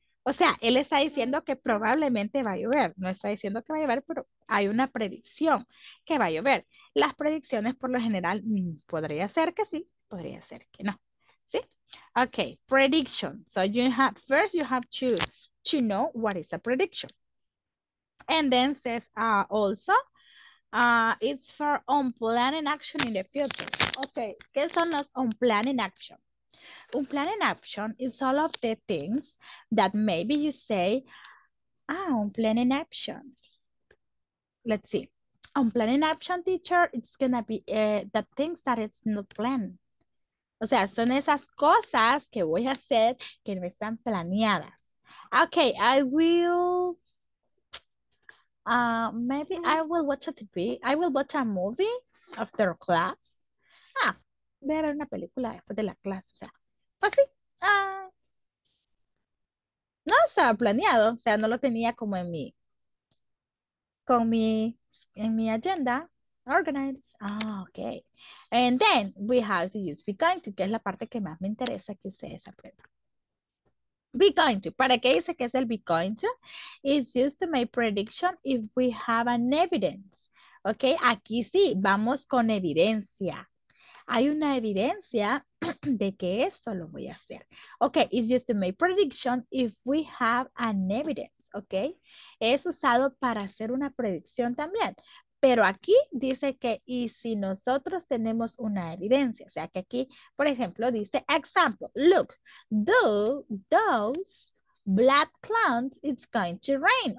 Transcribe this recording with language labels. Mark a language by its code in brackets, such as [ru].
[es] O sea, él está diciendo que probablemente va a llover, no está diciendo que va a llover, pero hay una predicción que va a llover. Las predicciones por lo general, podría ser que sí, podría ser que no, ¿sí? [en] Ok, prediction, so you have, first you have to know what is a prediction. And then says also, it's for unplanned action in the future. Okay, [es] ¿qué son los [en] unplanned action? Unplanned action is all of the things that maybe you say, ah, unplanned action. Let's see. Unplanned action, teacher, it's going to be the things that it's not planned. [es] O sea, son esas cosas que voy a hacer que no están planeadas. [en] Okay, I will... maybe I will watch a TV. I will watch a movie after class. [es] Ah, voy a ver una película después de la clase. O sea, pues sí. No estaba planeado. O sea, no lo tenía como en mi... Con mi... En mi agenda. Organized. Ah, ok. [en] And then we have to use be going to, [es] que es la parte que más me interesa que ustedes aprendan. [en] Be going to. [es] ¿Para qué dice que es el be going to? [en] It's used to make prediction if we have an evidence. [es] Ok, aquí sí, vamos con evidencia. Hay una evidencia de que eso lo voy a hacer. [en] Ok, it's used to make prediction if we have an evidence. [es] Ok, es usado para hacer una predicción también. Pero aquí dice que, y si nosotros tenemos una evidencia, o sea que aquí, por ejemplo, dice, example, [en] look, do those black clouds, it's going to rain.